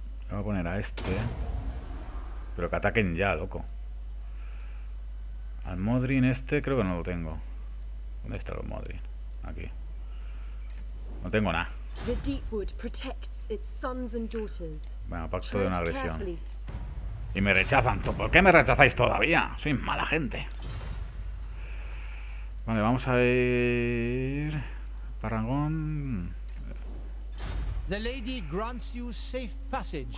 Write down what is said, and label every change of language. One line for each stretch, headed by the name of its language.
Spanish: Voy a poner a este. Pero que ataquen ya, loco. Al Modrin este creo que no lo tengo. ¿Dónde está el Modrin? Aquí. No tengo nada.
English: The Deepwood protects its sons and daughters.
Spanish: Bueno, pacto de una agresión. Y me rechazan. ¿Por qué me rechazáis todavía? Soy mala gente. Vale, vamos a ir. Parangón.
English: The lady grants you safe passage.